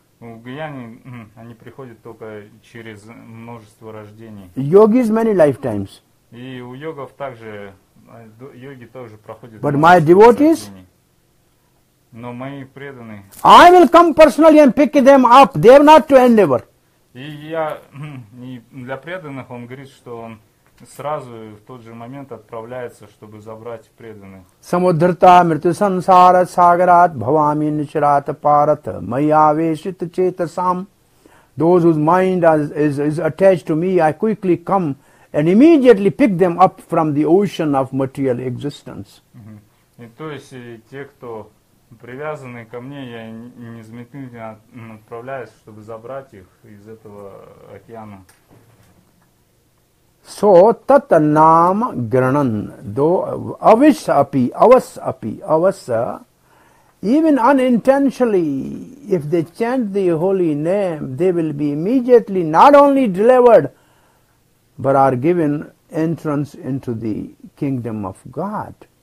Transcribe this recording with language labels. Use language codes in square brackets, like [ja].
[ru] У гьяни они приходят только через множество рождений. [en] Yogis many lifetimes. [ru] И у йогов также, йоги тоже проходят. [en] But my devotees? Но мои преданные. I will come personally and pick them up. They are not to endeavor. [ru] И я и для преданных он говорит, что он сразу в тот же момент отправляется, чтобы забрать преданных. [sa] Самудрта мрту сансара сагарат бхавами ничрат парат майя вешит чейтасам. [en] Those whose mind is attached to me, I quickly come and immediately pick them up from the ocean of material existence. [ru] И то есть и те, кто привязанные ко мне, я незаметно отправляюсь, чтобы забрать их из этого океана. [en] So, [sa] tat nama granan, do avish api, avas api, avasa, [en] even unintentionally, if they chant the holy name, they will be immediately not only delivered, but are given entrance into the kingdom of God.